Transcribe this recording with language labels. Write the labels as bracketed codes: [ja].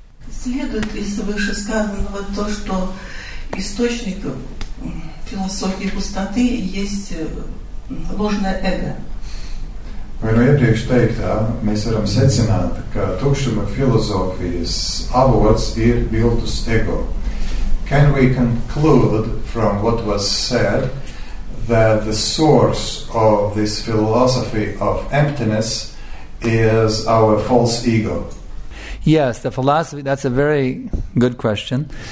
[ru] Следует из вышесказанного то, что источник философии пустоты есть ложное эго? [lv] Vai no iepriekš teiktā mēs varam secināt, ka tukšuma filozofijas avots ir viltus ego. [en] Can we conclude from what was said that the source of this philosophy of emptiness is our false ego? Yes, the philosophy, that's a very good question.